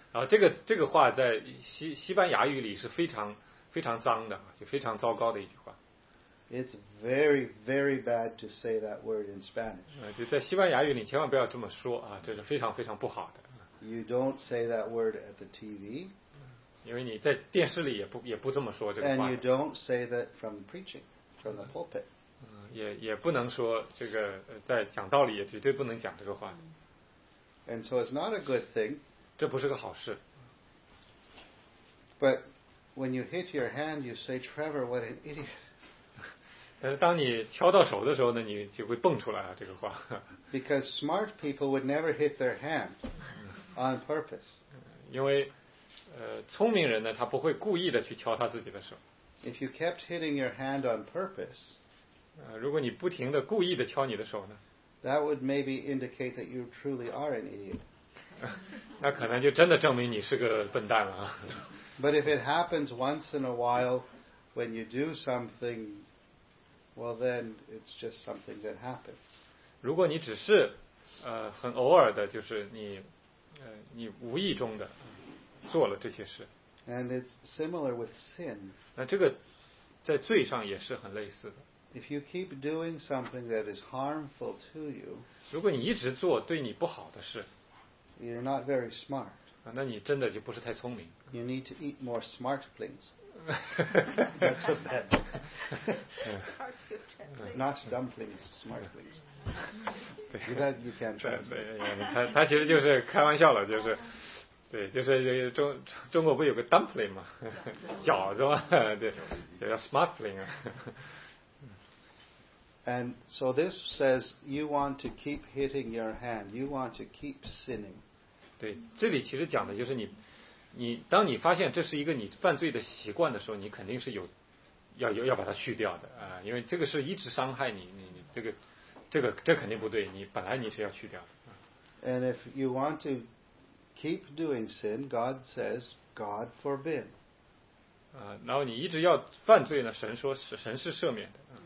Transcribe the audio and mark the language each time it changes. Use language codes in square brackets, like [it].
[zh] 然后这个话在西班牙语里是非常非常脏的，就非常糟糕的一句话。 [en] It's very very bad to say that word in Spanish. [zh] 就在西班牙语里千万不要这么说啊，这是非常非常不好的。 [en] You don't say that word at the TV. [zh] 因为你在电视里也不这么说这个话。 [en] And you don't say that from preaching, from the pulpit. [zh] 也不能说这个在讲道理也绝对不能讲这个话。 [en] And so it's not a good thing. [zh] 这不是个好事。 [en] But when you hit your hand, you say, "Trevor, what an idiot!" [zh] 但是当你敲到手的时候呢，你就会蹦出来啊，这个话。 [en] Because smart people would never hit their hand on purpose. [zh] 因为聪明人呢，他不会故意的去敲他自己的手。 [en] If you kept hitting your hand on purpose, [zh] 如果你不停的故意的敲你的手呢 [en] ，that would maybe indicate that you truly are an idiot. [zh] 那可能就真的证明你是个笨蛋了啊。 [en] But if it happens once in a while, when you do something, well, then it's just something that happens. [zh] 如果你只是很偶尔的，就是你无意中的做了这些事。 [en] And it's similar with sin. [zh] 那这个在罪上也是很类似的。 [en] If you keep doing something that is harmful to you, [zh] 如果你一直做对你不好的事， [en] you're not very smart. [zh] 那你真的就不是太聪明。 [en] You need to eat more smart things. That's a bad one. Not dumplings, smart things. That you can translate. [zh] 他其实就是开玩笑了，就是。对，就是中国不有个 dumpling 吗？饺子吗？对，叫 smartling 啊。 [en] And so this says you want to keep hitting your hand, you want to keep sinning. [zh] 对，这里其实讲的就是你当你发现这是一个你犯罪的习惯的时候，你肯定是要把它去掉的啊，因为这个是一直伤害你，这肯定不对，你本来你是要去掉的。 [en] And if you want to keep doing sin, God says, God forbid. [zh] 然后你一直要犯罪呢，神说神是赦免的。